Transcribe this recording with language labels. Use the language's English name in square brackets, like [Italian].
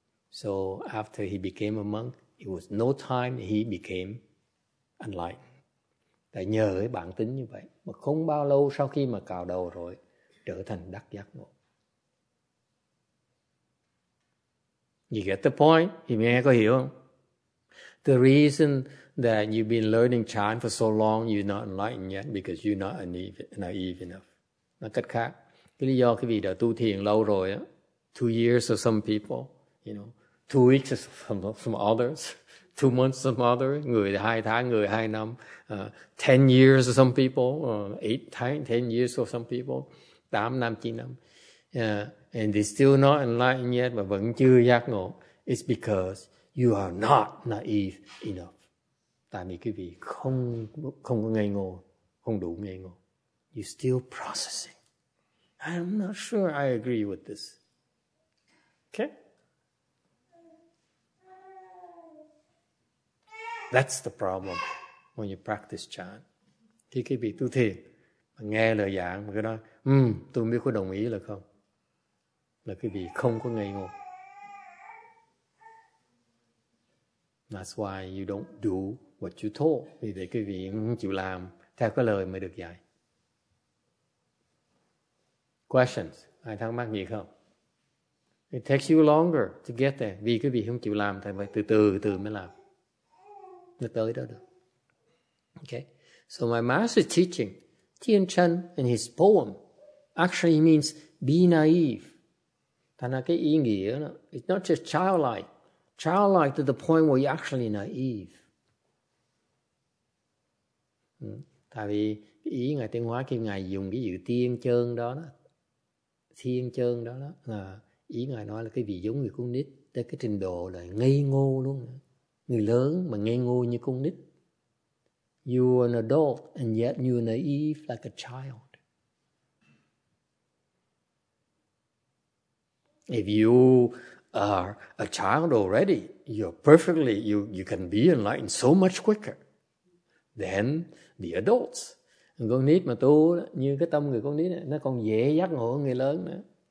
[English] So after he became a monk, it was no time he became enlightened. [Vietnamese] Tại nhờ cái bản tính như vậy, mà không bao lâu sau khi mà cạo đầu rồi, trở thành đắc giác ngộ. [English] You get the point? [Vietnamese] Thì mình nghe có hiểu không? [English] The reason that you've been learning Chan for so long, you're not enlightened yet because you're not naive enough. [Vietnamese] Nó cách khác. Cái lý do cái vị đã tu thiền lâu rồi á, [English] 2 years of some people, you know, 2 weeks of some others, 2 months of some others, [Vietnamese] người 2 tháng, người 2 năm, [English] 10 years of some people, 8 years of some people, [Vietnamese] 8 năm, 9 năm, [English] and they're still not enlightened yet, but [Vietnamese] vẫn chưa giác ngộ. [English] It's because you are not naive enough. [Vietnamese] Tại vì quý vị không có ngây ngô, không đủ ngây ngô. [English] You're still processing. I'm not sure I agree with this. Okay? That's the problem when you practice chan. [Vietnamese] Khi quý vị tu thiền, nghe lời giảng, mà cứ nói, tôi không biết có đồng ý là không. Là quý vị không có ngây ngô. [English] That's why you don't do what you told. [Vietnamese] Vì vậy quý vị không chịu làm theo cái lời mới được dạy. [English] Questions? [Vietnamese] Ai thắc mắc gì không? [English] It takes you longer to get there. [Vietnamese] Vì quý vị không chịu làm, thì phải từ từ mới làm. Nó tới đó được. [English] Okay. So my master teaching, Tian Chen in his poem, actually means be naive. [Vietnamese] Thành ra cái ý nghĩa, đó, [English] it's not just childlike. Childlike to the point where you're actually naive. [Vietnamese] Tại vì ý Ngài Tiên Hóa khi Ngài dùng cái dự tiên chơn đó, thiên chơn đó, ý Ngài nói là cái vị giống người con nít, tới cái trình độ là ngây ngô luôn đó. Người lớn mà ngây ngô như con nít. [English] You are an adult and yet you are naive like a child. If you are a child already, you're perfectly, you can be enlightened so much quicker than the adults. [Vietnamese] Con nít mà tu như cái tâm người con nít này, nó còn dễ giác ngộ hơn người lớn nữa.